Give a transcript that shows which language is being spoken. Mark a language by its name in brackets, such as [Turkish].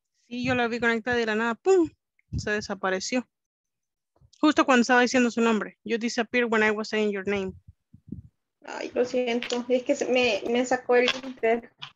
[Spanish] Sí, yo la vi conectada y la nada, pum, se desapareció. Justo cuando estaba diciendo su nombre. [English] You disappeared when I was saying your name. [Spanish] Ay, lo siento, es que me sacó el inter.